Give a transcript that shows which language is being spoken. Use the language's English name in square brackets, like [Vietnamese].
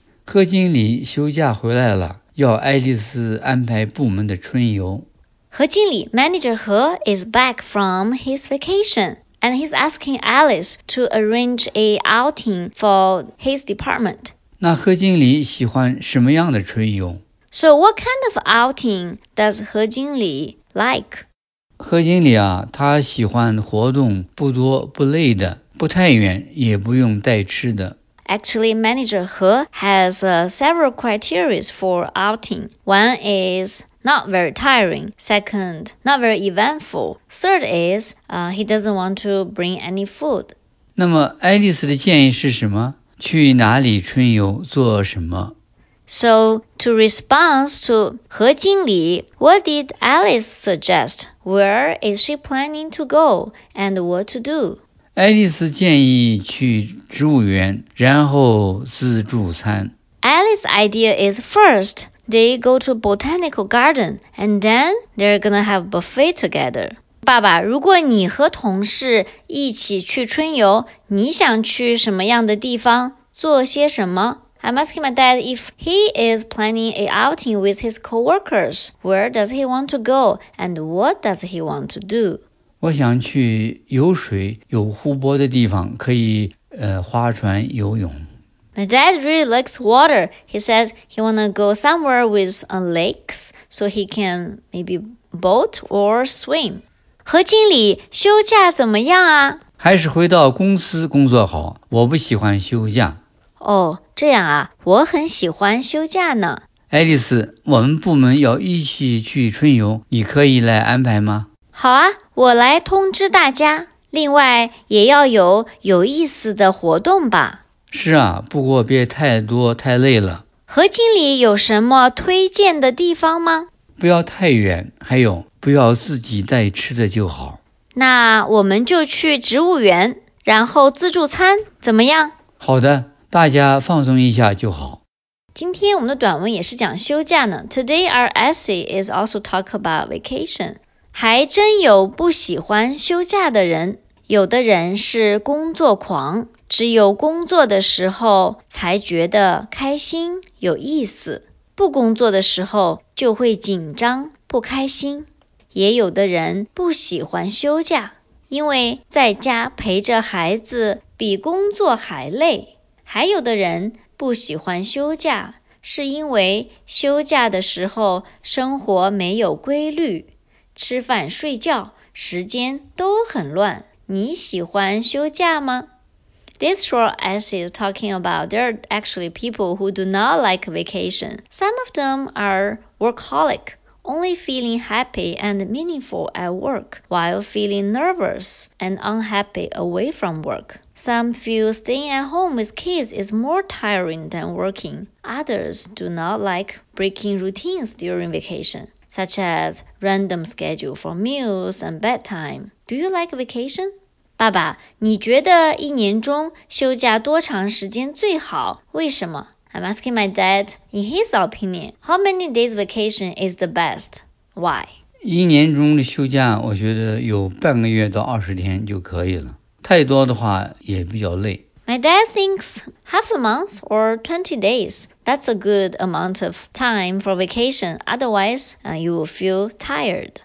[Chinese] 何经理休假回来了，要爱丽丝安排部门的春游。 [English] 何经理, Manager He, is back from his vacation, and he's asking Alice to arrange an outing for his department. [Chinese] 那何经理喜欢什么样的春游? [English] So what kind of outing does 何经理 like? [Chinese] 何经理啊,他喜欢活动不多不累的,不太远,也不用带吃的。 [English] Actually, Manager He has several criteria for outing. One is... Not very tiring. Second, not very eventful. Third is, he doesn't want to bring any food. [Chinese] 那么爱丽丝的建议是什么？去哪里春游？做什么？ [English] So, to respond to 何经理, what did Alice suggest? Where is she planning to go? And what to do? [Chinese] 爱丽丝建议去植物园,然后自助餐。 [English] Alice's idea is first,They go to botanical garden, and then they're gonna have buffet together. [Chinese] 爸爸，如果你和同事一起去春游，你想去什么样的地方，做些什么？ [English] I'm asking my dad if he is planning an outing with his co-workers. Where does he want to go, and what does he want to do? [Chinese] 我想去有水、有湖泊的地方，可以划船游泳。 [English] My dad really likes water. He says he want to go somewhere with lakes so he can maybe boat or swim. [Chinese] 何经理休假怎么样啊？还是回到公司工作好，我不喜欢休假。哦，这样啊，我很喜欢休假呢。爱丽丝，我们部门要一起去春游，你可以来安排吗？好啊，我来通知大家。另外，也要有有意思的活动吧。是啊，不过别太多，太累了。何经理有什么推荐的地方吗？不要太远，还有不要自己带吃的就好。那我们就去植物园，然后自助餐，怎么样？好的，大家放松一下就好。今天我们的短文也是讲休假呢。 [English] Today our essay is also talk about vacation. [Chinese] 还真有不喜欢休假的人，有的人是工作狂。只有工作的时候才觉得开心有意思，不工作的时候就会紧张不开心。也有的人不喜欢休假，因为在家陪着孩子比工作还累。还有的人不喜欢休假，是因为休假的时候生活没有规律，吃饭睡觉时间都很乱。你喜欢休假吗？ [English] This short essay is talking about there are actually people who do not like vacation. Some of them are workaholic, only feeling happy and meaningful at work, while feeling nervous and unhappy away from work. Some feel staying at home with kids is more tiring than working. Others do not like breaking routines during vacation, such as random schedule for meals and bedtime. Do you like vacation? [Chinese] 爸爸，你觉得一年中休假多长时间最好？为什么？ [English] I'm asking my dad, in his opinion, how many days vacation is the best? Why? [Chinese] 一年中的休假，我觉得有半个月到20天就可以了。太多的话也比较累。 [English] My dad thinks half a month or 20 days, that's a good amount of time for vacation. Otherwise, you will feel tired.